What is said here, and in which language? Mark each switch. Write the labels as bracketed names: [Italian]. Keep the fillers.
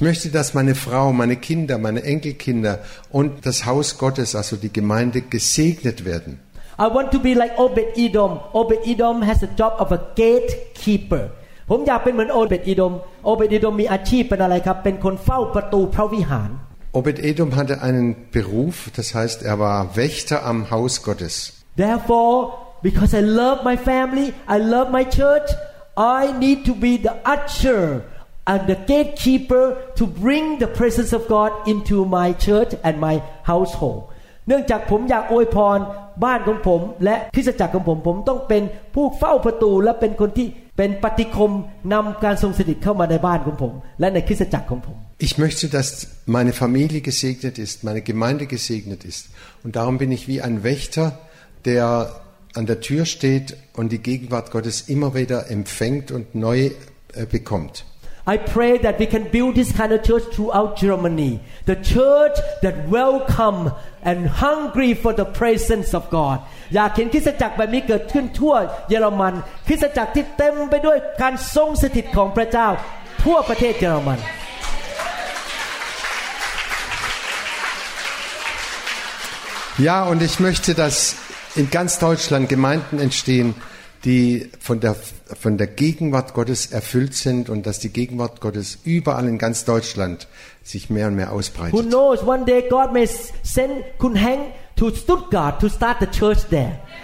[German] möchte, dass meine Frau, meine Kinder, meine Enkelkinder und das Haus Gottes, also die Gemeinde, gesegnet werden. [English] I want to be like Obed Edom. Obed Edom has the job of a gatekeeper. [Thai] ผมอยากเป็นเหมือนโอเบตอิดมโอเบตอิดมมีอาชีพเป็นอะไรครับเป็นคนเฝ้าประตูพระวิหารโอเบตอิดม [German] hatte einen Beruf das heißt er war Wächter am Haus Gottes [English] therefore because I love my family I love my church I need to be the usher and the gatekeeper to bring the presence of God into my church and my household. [Thai] เนื่องจากผมอยากอวยพรบ้านของผมและคริสตจักรของผมผมต้องเป็นผู้เฝ้าประตูและเป็นคนที่เป็นปฏิคมนำการทรงสถิตเข้ามาในบ้านของผมและในคริสตจักรของผม [German] Ich möchte, dass meine Familie gesegnet ist, meine Gemeinde gesegnet ist. Und darum bin ich wie ein Wächter, der an der Tür steht und die Gegenwart Gottes immer wieder empfängt und neu äh, bekommt. [English] I pray that we can build this kind of church throughout Germany, the church that welcome and hungry for the presence of God. [Thai] อยากเห็นคริสตจักรแบบนี้เกิดขึ้นทั่วเยอรมันคริสตจักรที่เต็มไปด้วยการทรงสถิตของพระเจ้าทั่วประเทศเยอรมัน [German] Ja und ich möchte dass in ganz Deutschland Gemeinden entstehen, die von der, von der Gegenwart Gottes erfüllt sind und dass die Gegenwart Gottes überall in ganz Deutschland sich mehr und mehr ausbreitet. [English] Who knows, one day God may send Kun to Stuttgart to start the church there.